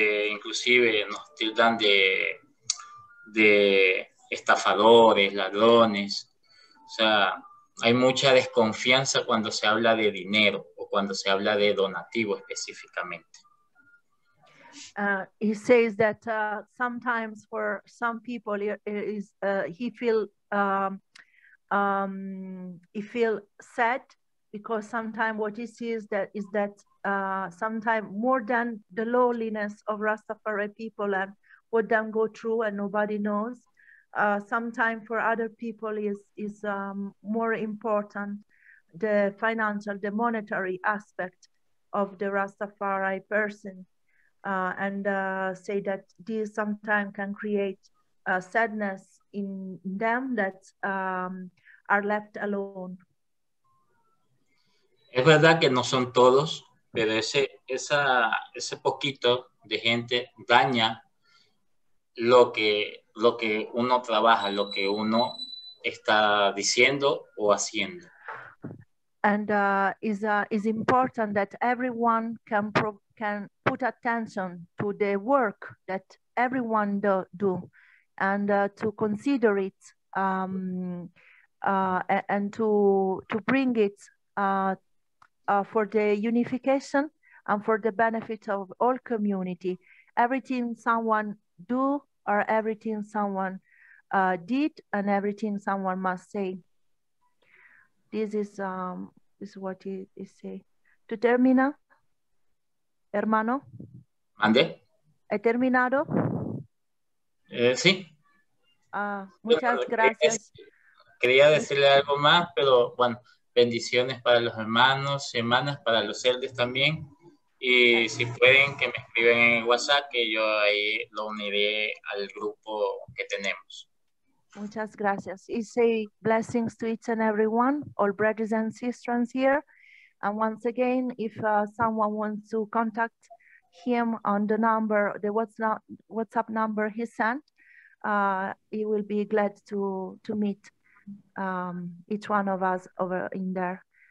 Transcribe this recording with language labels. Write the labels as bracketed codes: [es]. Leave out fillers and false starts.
[es] Inclusive nos tildan de estafadores, ladrones. O sea, hay mucha desconfianza cuando se habla de dinero o cuando se habla de donativo específicamente. [en] He says that sometimes for some people he feel sad because sometimes what he sees that is that sometimes more than the loneliness of Rastafari people and what them go through and nobody knows, some time for other people is more important, the financial, the monetary aspect of the Rastafari person, and say that this sometimes can create a sadness in them that are left alone. [es] Es verdad que no son todos, pero ese, esa, ese poquito de gente daña lo que uno trabaja, lo que uno está diciendo o haciendo. [en] And is important that everyone can put attention to the work that everyone do, and to consider it and to bring it for the unification and for the benefit of all community. Everything someone do or everything someone did and everything someone must say. This is what he say. [es] To termina, hermano? Ande? He terminado? Sí. Muchas gracias. Quería decirle algo más, pero bueno, bendiciones para los hermanos, hermanas, para los elders también. Y si pueden, que me escriben en WhatsApp, que yo ahí lo uniré al grupo que tenemos. Muchas gracias. [en] I say blessings to each and everyone, all brothers and sisters here. And once again, if someone wants to contact him on the number, the WhatsApp number he sent, he will be glad to meet each one of us over in there.